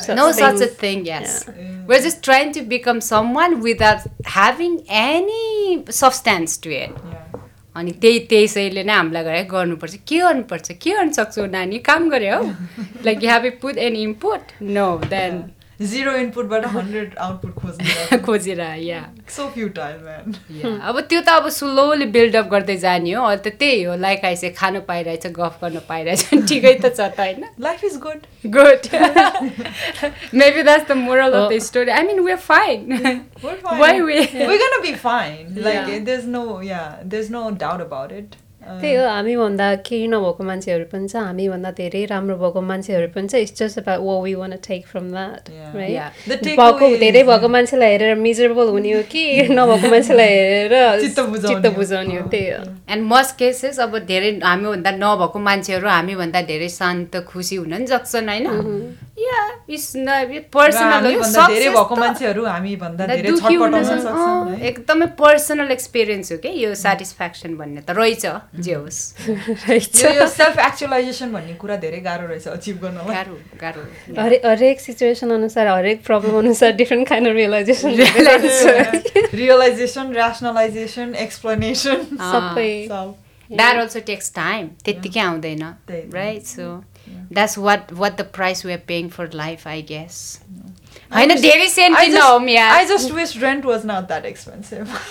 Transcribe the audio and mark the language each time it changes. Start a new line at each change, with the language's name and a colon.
English: success no such a thing yes we are just trying to become someone without having any substance to it
Nepali: अनि त्यही त्यसैले नै हामीलाई गरे गर्नुपर्छ के गर्नुपर्छ के गर्नु सक्छौ नानी काम गरे हो
English: like you have a put an input no then
Nepali: zero इनपुटबाट 100 output खोजेर या
English: so futile man
Nepali: अब त्यो त अब स्लोली बिल्डअप गर्दै जाने हो अन्त त्यही हो लाइक आइसे खानु पाइरहेछ गफ गर्नु पाइरहेछ ठिकै त छ त होइन
English: life is good good maybe that's the moral of the story I mean we are fine why we gonna be fine like there is no doubt about it
Nepali: त्यही हो हामीभन्दा केही नभएको मान्छेहरू पनि छ हामीभन्दा धेरै राम्रो भएको मान्छेहरू पनि छ
English: it's just about what we want to take from that right
Nepali: भएको धेरै भएको मान्छेलाई हेरेर मिजरेबल हुने हो कि नभएको मान्छेलाई हेरेर चित्त बुझाउने हो त्यही हो
English: and most cases
Nepali: अब धेरै हामीभन्दा नभएको मान्छेहरू हामीभन्दा धेरै शान्त खुसी हुन सक्छन् होइन एकदमै पर्सनल एक्सपिरियन्स हो कि यो सेटिस्फ्याक्सन भन्ने त रहेछ जे होस् सेल्फ एक्चुलाइजेसन भन्ने कुरा धेरै गाह्रो रहेछ अचिभ गर्नलाई हरेक सिचुएसन अनुसार हरेक प्रब्लम अनुसार different kind of realisation
English: realisation rationalisation explanation that also takes time
Nepali: त्यत्तिकै आउँदैन
English: Right so That's what the price we're paying for life, I guess. I know, daily sentinel, yeah. I just wish rent was not that expensive.